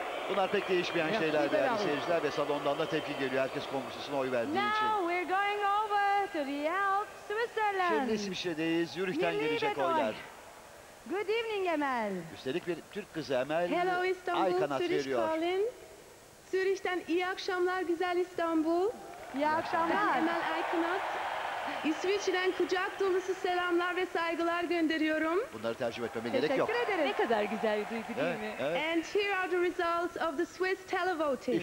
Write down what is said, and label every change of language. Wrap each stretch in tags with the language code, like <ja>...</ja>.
<tr>Bunlar pek değişmeyen merci şeyler değerli Belarus seyirciler ve salondan da tepki geliyor. Herkes komşusuna oy verdiği</tr> <en>now</en> <tr>için.</tr> <en>Now we're going over to the Alps, Switzerland.</en> <tr>Şimdi İsviçre'deyiz. Zürich'ten gelecek oylar.</tr> <en>Good evening, Emel.</en> <tr>Üstelik bir Türk kızı Emel.</tr> <en>Hello Istanbul, Zürich Berlin.</en> <tr>Zürich'ten iyi akşamlar güzel İstanbul. İyi akşamlar. Ben Emel Aykınat. İsviçre'den kucak dolusu selamlar ve saygılar gönderiyorum. Bunları tercüme etmeme gerek yok. Teşekkür ederim. Ne kadar güzel bir duygu değil mi? Evet.</tr> <en>And here are the results of the Swiss televoting.</en>